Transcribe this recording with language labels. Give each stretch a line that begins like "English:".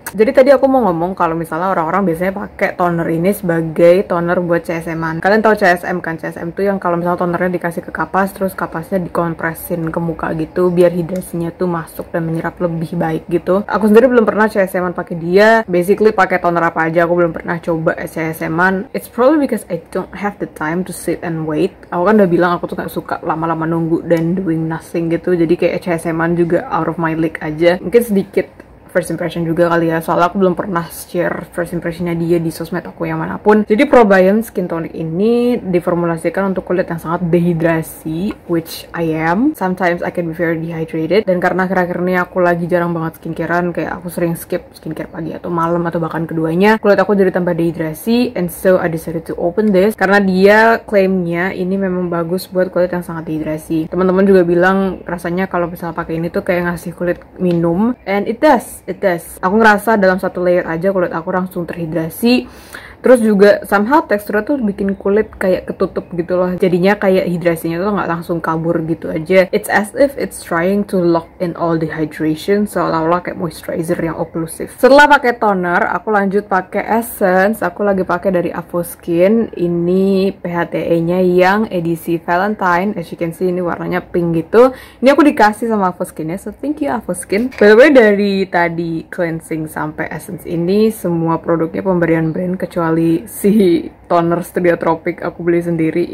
Indonesian: Jadi tadi aku mau ngomong kalau misalnya orang-orang biasanya pakai toner ini sebagai toner buat CSM-an. Kalian tahu CSM kan? CSM tuh yang kalau misalnya tonernya dikasih ke kapas, terus kapasnya dikompresin ke muka gitu biar hidrasinya tuh masuk dan menyerap lebih baik gitu. Aku sendiri belum pernah CSM-an pakai dia. Basically pakai toner apa aja aku belum pernah coba CSM-an.
English: It's probably because I don't have the time to sit and wait.
Indonesian: Aku kan udah bilang aku tuh gak suka lama-lama menunggu dan
English: doing nothing
Indonesian: gitu. Jadi kayak CSM-an juga
English: out of my league
Indonesian: aja. Mungkin sedikit first impression juga kali ya, soalnya aku belum pernah share first impressionnya dia di sosmed aku yang manapun. Jadi Probiome Skin Tonic ini diformulasikan untuk kulit yang sangat dehidrasi,
English: which I am. Sometimes I can be very dehydrated.
Indonesian: Dan karena akhir-akhir ini aku lagi jarang banget skincarean, kayak aku sering skip skincare pagi atau malam atau bahkan keduanya, kulit aku jadi tambah dehidrasi.
English: And so I decided to open this
Indonesian: karena dia klaimnya ini memang bagus buat kulit yang sangat dehidrasi. Teman-teman juga bilang rasanya kalau misalnya pakai ini tuh kayak ngasih kulit minum,
English: and it does.
Indonesian: Aku ngerasa dalam satu layer aja kulit aku langsung terhidrasi. Terus juga somehow teksturnya tuh bikin kulit kayak ketutup gitu loh. Jadinya kayak hidrasinya tuh gak langsung kabur gitu aja.
English: It's as if it's trying to lock in all the hydration,
Indonesian: seolah-olah kayak moisturizer yang oklusif. Setelah pakai toner, aku lanjut pakai essence. Aku lagi pakai dari Avoskin. Ini PHTE-nya yang edisi Valentine.
English: As you can see,
Indonesian: ini warnanya pink gitu. Ini aku dikasih sama Avoskin-nya,
English: so thank you Avoskin. By the way,
Indonesian: dari tadi cleansing sampai essence ini, semua produknya pemberian brand kecuali si toner Studio Tropic aku beli sendiri.